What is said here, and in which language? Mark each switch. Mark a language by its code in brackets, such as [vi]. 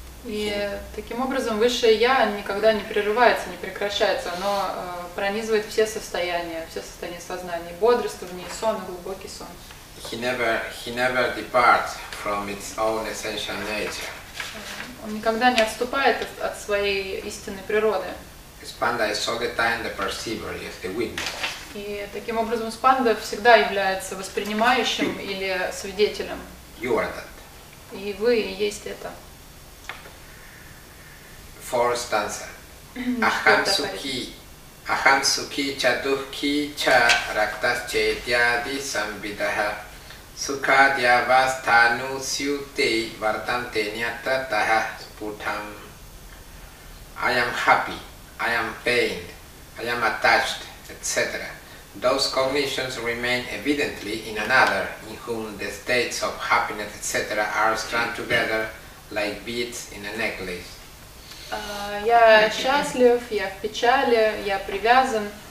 [ru] И таким образом высшее я никогда не прерывается, не прекращается, оно пронизывает все состояния сознания, бодрствование, сон, глубокий сон. [en] He never departs from its own essential nature. [ru] Он никогда не отступает от своей истинной природы. [en] Spanda is all the time the perceiver, yes, the witness. [ru] И таким образом Спанда всегда является воспринимающим или свидетелем. [en] You are that. [ru] И вы и есть это. [en] Fourth stanza. [sa] Aham sukhi cha dukhi cha raktasya ityadi samvidaha. Sukhadya vasthanu syute vartante nyatratah sputam. [en] I am happy, I am pained, I am attached, etc. Those cognitions remain evidently in another, in whom the states of happiness, etc. are strung together like beads in a necklace. [ru] Я счастлив, я в печали, я привязан.